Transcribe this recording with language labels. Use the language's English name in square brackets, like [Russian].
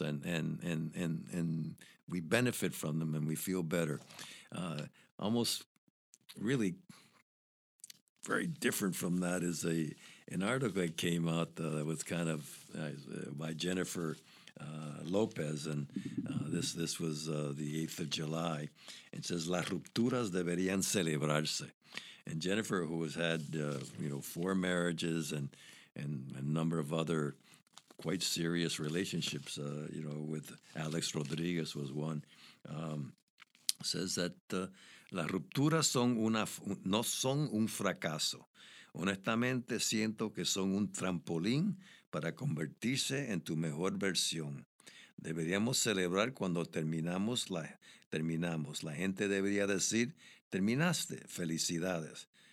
[English] And we benefit from them and we feel better. Almost really very different from that is an article that came out that was kind of by Jennifer Lopez, and this was the 8th of July. [Spanish] It says, las rupturas deberían celebrarse. [English] And Jennifer, who has had, four marriages and a number of other quite serious relationships, with Alex Rodriguez was one, says that [Spanish] las rupturas no son un fracaso. Honestamente, siento que son un trampolín para convertirse en tu mejor versión. Deberíamos celebrar cuando terminamos. La gente debería decir, terminaste, felicidades.